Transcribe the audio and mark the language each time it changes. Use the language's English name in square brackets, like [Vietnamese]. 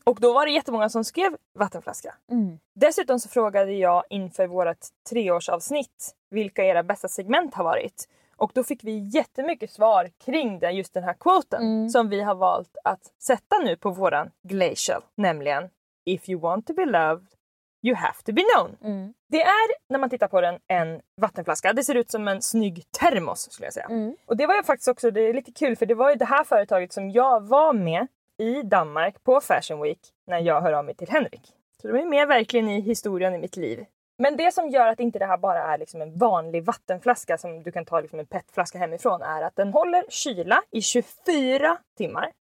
[Swedish] Och då var det jättemånga som skrev vattenflaska. Mm. Dessutom så frågade jag inför vårt 3-årsavsnitt vilka era bästa segment har varit. Och då fick vi jättemycket svar kring just den här quoten som vi har valt att sätta nu på våran glacial. Nämligen, [English] if you want to be loved, you have to be known. Mm. [Swedish] Det är, när man tittar på den, en vattenflaska. Det ser ut som en snygg termos, skulle jag säga. Mm. Och det var ju faktiskt också, det är lite kul, för det var ju det här företaget som jag var med i Danmark på Fashion Week när jag hör av mig till Henrik. Så de är med verkligen i historien i mitt liv. Men det som gör att inte det här bara är liksom en vanlig vattenflaska som du kan ta liksom en PET-flaska hemifrån är att den håller kyla i 24 timmar.